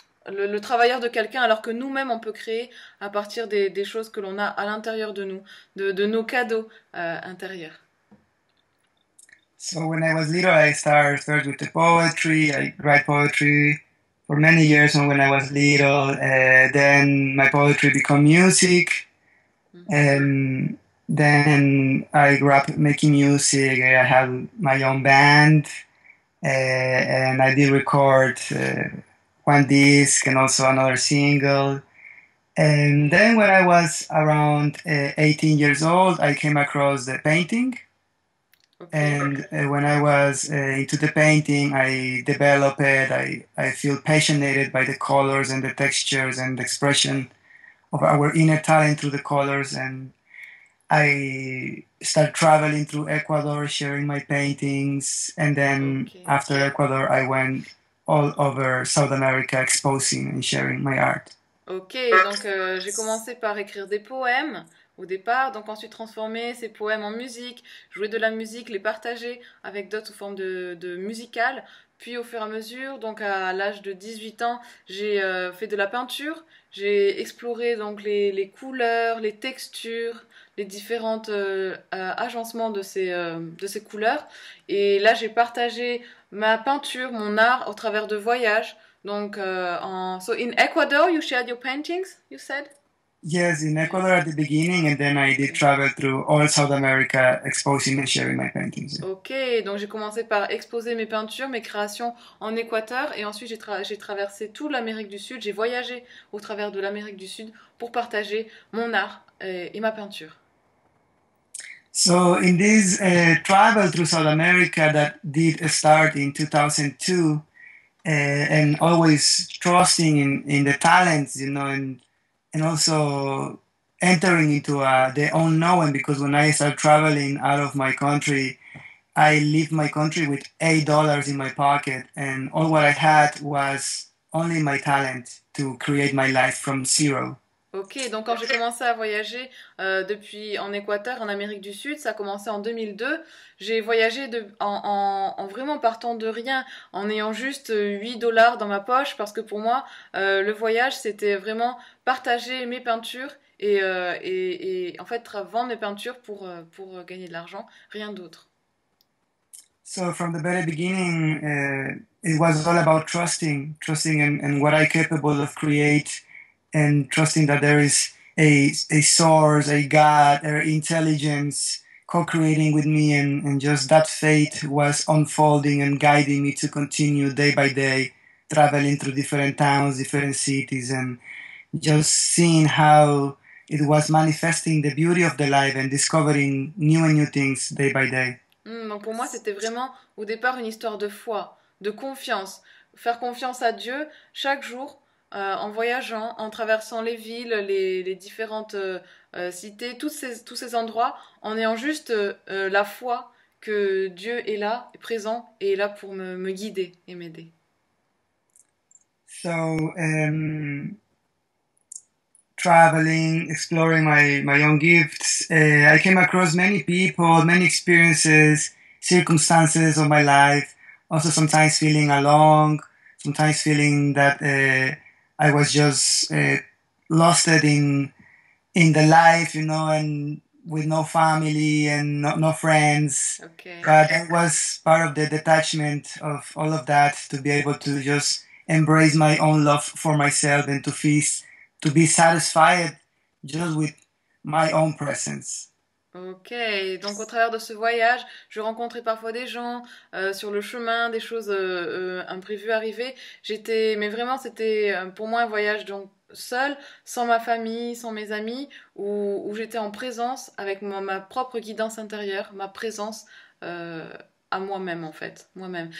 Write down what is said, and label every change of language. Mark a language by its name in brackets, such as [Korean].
[French] le travailleur de quelqu'un, alors que nous-mêmes, on peut créer à partir des choses que l'on a à l'intérieur de nous, de nos cadeaux intérieurs. [English] So when I was little, I started with the poetry. I write poetry for many years when I was little. Then my poetry become music. Then I grew up making music. I have my own band, and I did record one disc and also another single. And then when I was around 18 years old, I came across the painting. And when I was into the painting, I developed it. I feel passionate by the colors and the textures and the expression of our inner talent through the colors. And I started traveling through Ecuador, sharing my paintings. And then after Ecuador, I went all over South America, exposing and sharing my art. [French] J'ai commencé par écrire des poèmes. Au départ, donc ensuite transformer ces poèmes en musique, jouer de la musique, les partager avec d'autres sous forme de musicale. Puis au fur et à mesure, donc à l'âge de 18 ans, j'ai fait de la peinture, j'ai exploré donc les couleurs, les textures, les différentes agencements de ces couleurs. Et là, j'ai partagé ma peinture, mon art au travers de voyages. [English] Donc, so in Ecuador, you shared your paintings, you said? Yes, in Yes. Ecuador at the beginning, and then I did travel through all South America, exposing and sharing my paintings. [French] Donc j'ai commencé par exposer mes peintures, mes créations en Équateur, et ensuite j'ai traversé tout l'Amérique du Sud, j'ai voyagé au travers de l'Amérique du Sud pour partager mon art et ma peinture. [English] So, in this travel through South America that did start in 2002, and always trusting in the talents, you know, and also entering into the unknown, because when I start traveling out of my country, I leave my country with $8 in my pocket, and all what I had was only my talent to create my life from zero. [French] Donc quand j'ai commencé à voyager depuis en Équateur, en Amérique du Sud, ça a commencé en 2002. J'ai voyagé en vraiment partant de rien, en ayant juste 8 dollars dans ma poche, parce que pour moi, le voyage, c'était vraiment partager mes peintures et en fait vendre mes peintures pour gagner de l'argent, rien d'autre. [English] So from the very beginning, it was all about trusting and what I'm capable of create, and trusting that there is a source, a God, or intelligence co-creating with me, and just that faith was unfolding and guiding me to continue day by day, traveling through different towns, different cities, and just seeing how it was manifesting the beauty of the life and discovering new and new things day by day. [French] Donc pour moi, c'était vraiment au départ une histoire de foi, de confiance. Faire confiance à Dieu chaque jour en voyageant, en traversant les villes, les différentes cités, tous ces endroits, en ayant juste la foi que Dieu est là, est présent et est là pour me guider et m'aider. [English] So, traveling, exploring my own gifts, I came across many people, many experiences, circumstances of my life. Also, sometimes feeling alone, sometimes feeling that I was just lost in the life, you know, and with no family and no friends. But it was part of the detachment of all of that to be able to just embrace my own love for myself and to be satisfied just with my own presence. [French] Donc au travers de ce voyage, je rencontrais parfois des gens sur le chemin, des choses imprévues arrivaient. Mais vraiment, c'était pour moi un voyage donc seul, sans ma famille, sans mes amis, où j'étais en présence avec ma propre guidance intérieure, ma présence à moi-même en fait, moi-même.